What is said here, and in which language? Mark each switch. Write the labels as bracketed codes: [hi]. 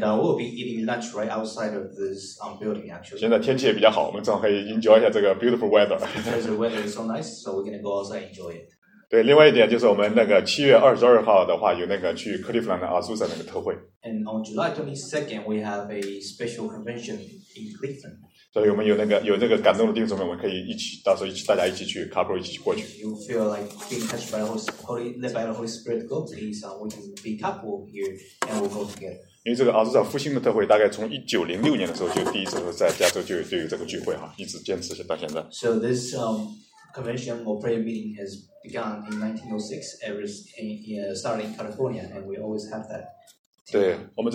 [en] we'll be eating lunch right outside of this building actually. [zh] 现在天气也比较好，我们正好可以 enjoy 一下这个 [en] beautiful weather. Because the weather is so nice, so we're gonna go outside and enjoy it. [zh] 对，另外一点就是我们那个7月22号的话，有那个去克利夫兰的阿苏萨那个特会。 [en] And on July 22nd, we have a special convention in Cleveland. [zh] 所以我们有那个感动的弟兄们，我们可以一起，到时候大家一起去，couple一起去过去。 [en] If you feel like being touched by the Holy Spirit, led by the Holy Spirit, go please. We can be couple here and we'll go together. [zh] 因为这个阿苏萨复兴的特会，大概从1906年的时候就第一次在加州就有这个聚会哈，一直坚持到现在。 [en] So this convention or prayer meeting has begun in 1906, started in California, and we always have that.